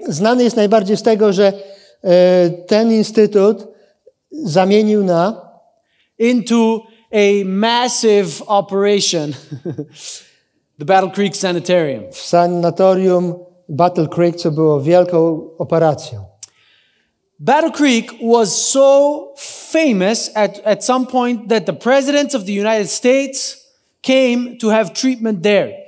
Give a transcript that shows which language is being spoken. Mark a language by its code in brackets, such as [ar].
[pl] Znany jest najbardziej z tego, że ten instytut zamienił na [en] into a massive operation, the Battle Creek Sanitarium. [pl] W sanatorium Battle Creek, co było wielką operacją. [en] Battle Creek was so famous at some point that the presidents of the United States came to have treatment there.